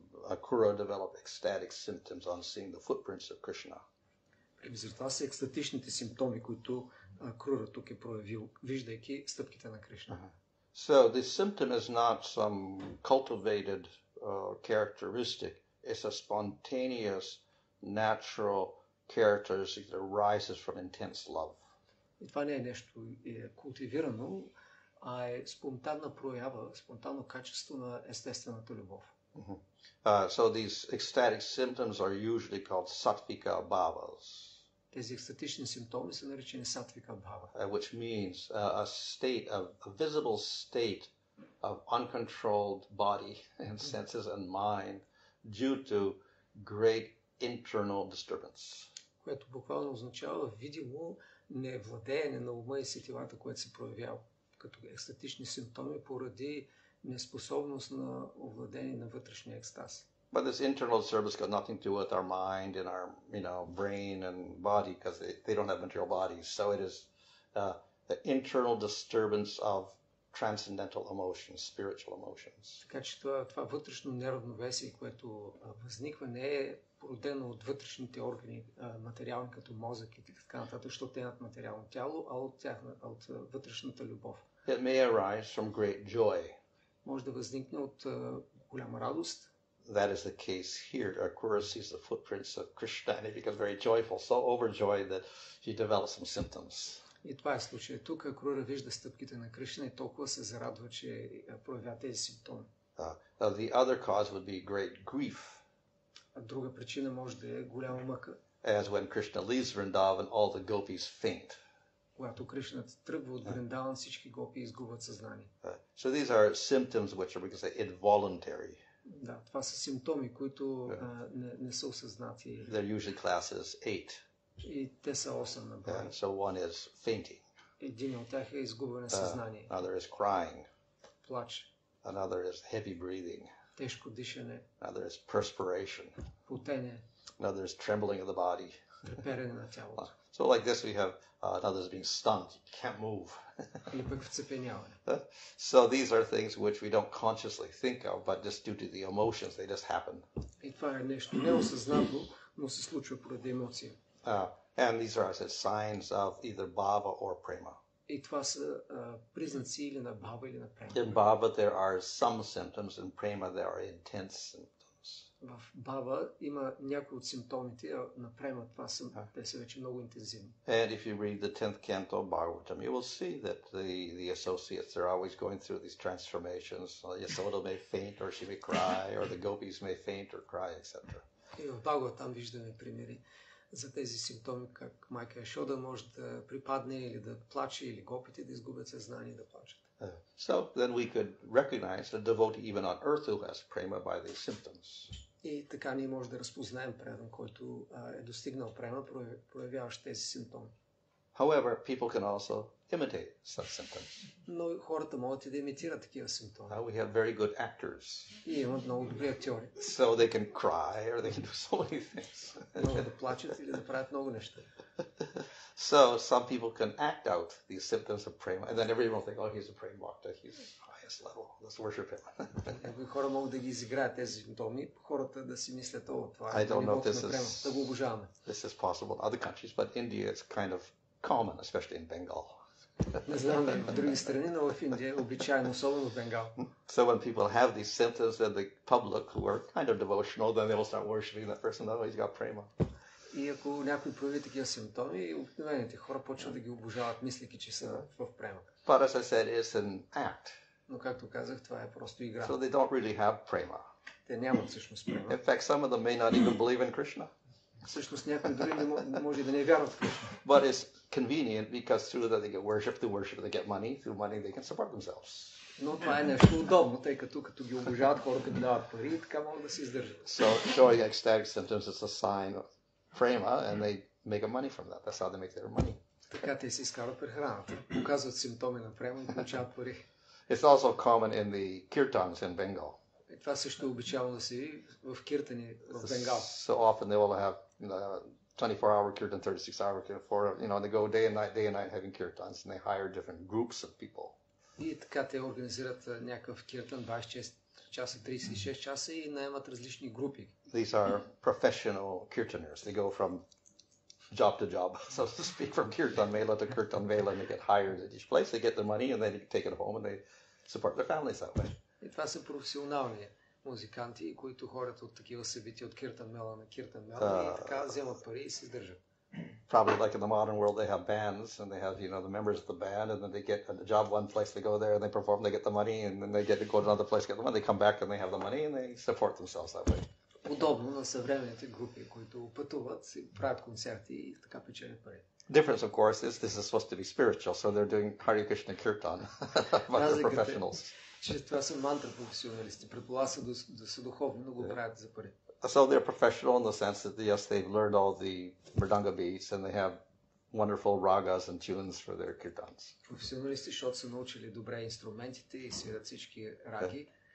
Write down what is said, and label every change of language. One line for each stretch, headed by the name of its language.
English: Akura develop ecstatic symptoms on seeing the footprints of Krishna.
Bulgarian: Това са екстатичните симптоми, които Акура тук е проявил, виждайки стъпките на Кришна.
English: So the symptom is not some cultivated characteristic. It's a spontaneous, natural characteristic that arises from intense love.
Bulgarian: И това не е нещо култивирано, а е спонтанна проява, спонтанно качество на естествената любов.
English: So these ecstatic symptoms are usually called sattvika bhavas.
Bulgarian: Тези екстатични симптоми са наречени сатвика бхава.
English: Which means a state of a visible state of uncontrolled body and senses and mind due to great internal disturbance.
Bulgarian: Което буквално означава видимо невладеене на ума и сетивата, което се проявява като екстатични симптоми поради неспособност на овладение на вътрешния екстаз.
English: But this internal disturbance got nothing to do with our mind and our, you know, brain and body, because they don't have material bodies. So it is the internal disturbance of transcendental emotions, spiritual emotions.
Bulgarian: Така че това вътрешно неравновесие, което възниква, не е породено от вътрешните органи, материални като мозък и така нататък, защото те имат материално тяло, а от тяхна, от вътрешната любов.
English: It may arise from great joy.
Bulgarian: Може да възникне от голяма радост.
English: That is the case here. Akura sees the footprints of Krishna and he becomes very joyful, so overjoyed that he develops some symptoms.
Bulgarian: И това е случая. Тук Акура вижда стъпките на Кришна и толкова се зарадва, че проявява тези симптоми.
English: The other cause would be great grief.
Bulgarian: А друга причина може да е голяма мъка.
English: As when Krishna leaves Vrindavan, all the gopis faint.
Bulgarian: Когато Кришна тръгва от Вриндаван, всички гопи изгубват съзнание.
English: So these are symptoms which are, we can say, involuntary.
Bulgarian: Да, това са симптоми, които не са осъзнати.
English: They're usually classes 8.
Bulgarian: И те са 8 на брой.
English: So one is fainting.
Bulgarian: Един от тях е изгубване съзнание.
English: Another is crying.
Bulgarian: Плач.
English: Another is heavy breathing.
Bulgarian: Тежко дишане.
English: Another is perspiration.
Bulgarian: Потене.
English: Another is trembling of the body.
Bulgarian: Треперене на тялото.
English: So like this we have another is being stunned, can't move.
Bulgarian: Или пък вцепеняване.
English: So these are things which we don't consciously think of, but just due to the emotions, they just happen.
Bulgarian: И това е нещо неосъзнато, но се случва поради емоция.
English: And these are, as I said, signs of either bhava or prema.
Bulgarian: И това са признаци или на бхава, или на према.
English: In bhava there are some symptoms, in prema there are intense symptoms.
Bulgarian: В бхава има някои от симптомите, а на према това са, те са вече много интензивни.
English: And if you read the 10th canto of Bhagavatam, you will see that the associates are always going through these transformations. Yasoda may faint or she may cry, or the gopis may faint or cry, etc.
Bulgarian: И в Бхагаватам виждаме примери за тези симптоми, как майка Йашода може да припадне или да плаче, или гопите да изгубят съзнание и да плачат.
English: So then we could recognize the devotee even on earth who has prema by these symptoms.
Bulgarian: И така ние може да разпознаем предан, който е достигнал према, проявяващ тези симптоми.
English: However, people can also imitate such symptoms.
Bulgarian: Но хората могат и да имитират такива симптоми.
English: Now we have very good actors.
Bulgarian: И имат много добри актьори.
English: So they can cry or they can do so many things.
Bulgarian: Могат да плачат или да правят много неща.
English: So some people can act out these symptoms of prema, and then everyone will think, oh, he's a premabhakta, he's highest level, let's worship him.
Bulgarian: Някои хора могат да ги изиграят тези симптоми, хората да си мислят, о, това е премабхакта, да го обожаваме.
English: This is possible in other countries, but India is kind of common, especially in Bengal.
Bulgarian: Не знам, в други страни, но в Индия е обичайно, особено в Бенгал.
English: So when people have these symptoms in the public who are kind of devotional, then they will start worshiping that person, oh, he's got prema.
Bulgarian: И ако някой появи такива симптоми, обикновените хора почват да ги обожават, мислейки, че са в према.
English: But as I said, it's an act.
Bulgarian: Но както казах, това е просто игра.
English: So they don't really have prema.
Bulgarian: Те нямат всъщност према.
English: In fact, some of them may not even believe in Krishna.
Bulgarian: Всъщност някои дори не може да не вярват в Кришна.
English: But it's convenient because through that they get worship, through worship they get money, through money they can support themselves.
Bulgarian: Но това е нещо удобно, тъй като като ги обожават, хората им дават пари, така могат да се издържат.
English: So showing ecstatic symptoms is a sign of prema, and they make a money from that. That's how they make their money.
Bulgarian: Така те си изкарват прехраната. Показват симптоми на према и получават пари.
English: It's also common in the kirtans in Bengal.
Bulgarian: И това също обичава да си в киртани в Бенгал.
English: So often they will have 24-hour kirtan, 36-hour kirtan, they go day and night having kirtans, and they hire different groups of people.
Bulgarian: И така те организират някакъв киртан 26 часа, 36 часа и наемат различни групи.
English: These are professional kirtaners. They go from job to job, so to speak, from kirtan mela to kirtan mela, and they get hired at each place. They get the money, and they take it home, and they support their families that way.
Bulgarian: И това са професионални музиканти, които ходят от такива събития, от kirtan mela на kirtan mela, и така вземат пари и се държат.
English: Probably like in the modern world, they have bands, and they have, the members of the band, and then they get a job one place, they go there, and they perform, they get the money, and then they get to go to another place, get the money, they come back, and they have the money, and they support themselves that way.
Bulgarian: Подобно на съвременните групи, които пътуват, правят концерти и така печелят пари.
English: Difference, of course, is this is supposed to be spiritual, so they're doing Hare Krishna kirtan, but they're professionals.
Bulgarian: Че това са мантра професионалисти, предполага да са духовни, но го правят за пари.
English: So they're professional in the sense that, yes, they've learned all the mridanga beats and they have wonderful ragas and tunes for their kirtans.
Bulgarian: Професионалисти, защото са научили добре инструментите и свирят всички раги.